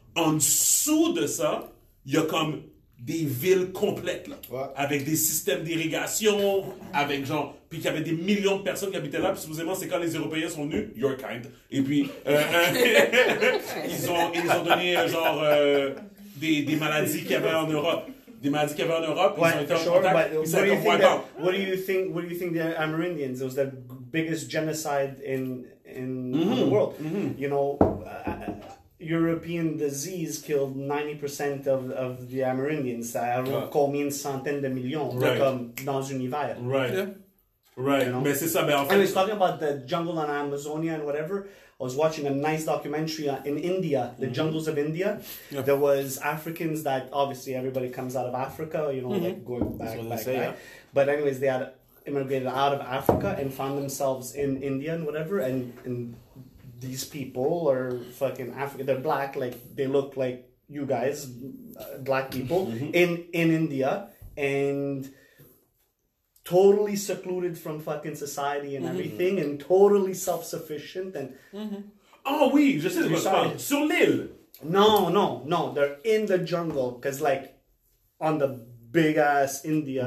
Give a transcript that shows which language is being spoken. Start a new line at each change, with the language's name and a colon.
French: En dessous de ça, il y a comme des villes complètes là, ouais. Avec des systèmes d'irrigation, avec genre, puis qu'il y avait des millions de personnes qui habitaient là, puis supposément c'est quand les Européens sont venus,
English: your kind,
French: et puis ils ont donné genre des maladies qu'il y avait en Europe.
English: What do you think the Amerindians, it was the biggest genocide in the world, you know, European disease killed 90% of the Amerindians. I don't know how many
French: centaines de millions,
English: right.
French: Comme dans un hiver.
English: Right. Yeah. Right. You know?
French: Mais c'est ça, mais en fait.
English: And he's talking about the jungle on Amazonia and whatever. I was watching a nice documentary in India, the jungles of India. Yeah. There was Africans that obviously everybody comes out of Africa, you know, like going back. That's what back, they say, back. Yeah. But anyways, they had immigrated out of Africa and found themselves in India and whatever, and these people are fucking African. They're black, like they look like you guys, black people in India, and totally secluded from fucking society and everything, and totally self sufficient. And
French: Oh, oui, je sais, c'est pas sur l'île.
English: No, they're in the jungle because, like, on the big ass India,